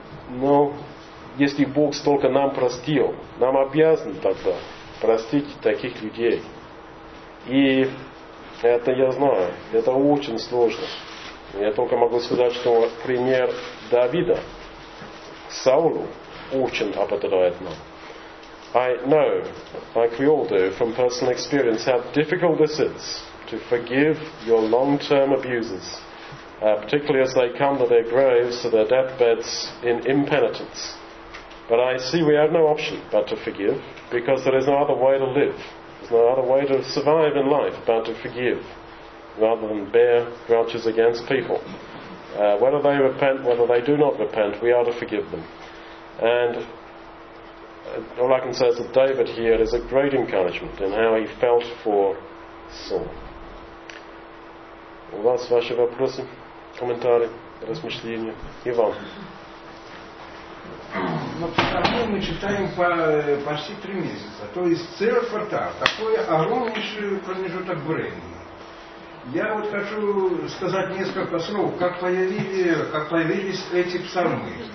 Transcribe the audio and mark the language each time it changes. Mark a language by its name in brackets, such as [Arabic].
[Russian] Но если Бог столько нам простил, нам обязан тогда простить таких людей. И это я знаю, это очень сложно. Я только могу сказать, что пример Давида Саулу очень ободряет нам. [English] I know, like we all do, from personal experience, how difficult this is. To forgive your long-term abusers, particularly as they come to their graves, to their deathbeds in impenitence. But I see we have no option but to forgive, because there is no other way to live. There's no other way to survive in life but to forgive, rather than bear grudges against people. Whether they repent, whether they do not repent, we are to forgive them. And all I can say is that David here is a great encouragement in how he felt for Saul. [Russian] У вас ваши вопросы, комментарии, размышления? Иван. Ну, мы читаем почти 3 месяца. То есть целый квартал. Такой огромнейший промежуток времени. Я вот хочу сказать несколько слов, как появились эти псалмы.